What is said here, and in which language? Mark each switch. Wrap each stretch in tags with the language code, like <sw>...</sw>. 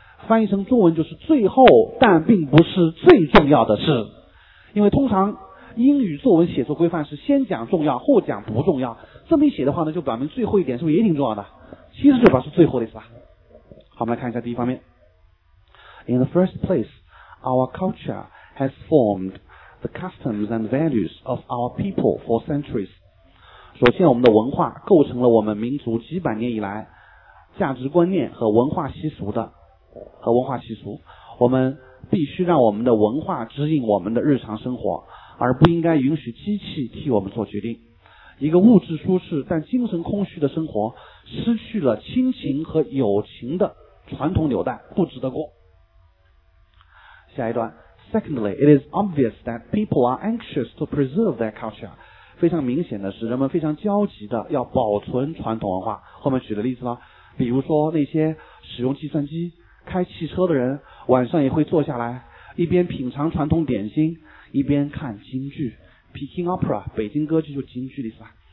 <zh>翻译成中文就是最后，但并不是最重要的事。因为通常英语作文写作规范是先讲重要，后讲不重要。这么一写的话呢，就表明最后一点是不是也挺重要的？其实就表示最后的意思吧。好，我们来看一下第一方面。</zh> <en>In the first place, our culture has formed the customs and values of our people for centuries.</en> <zh>首先，我们的文化构成了我们民族几百年以来价值观念和文化习俗的。和文化习俗，我们必须让我们的文化指引我们的日常生活，而不应该允许机器替我们做决定。一个物质舒适但精神空虚的生活，失去了亲情和友情的传统纽带，不值得过。下一段。</zh> <en>Secondly, it is obvious that people are anxious to preserve their culture.</en> <zh>非常明显的是，人们非常焦急的要保存传统文化。后面举的例子了，比如说那些使用计算机开汽车的人，晚上也会坐下来一边品尝传统点心一边看京剧。 Peking Opera 北京歌剧就京剧的意思吧。</zh>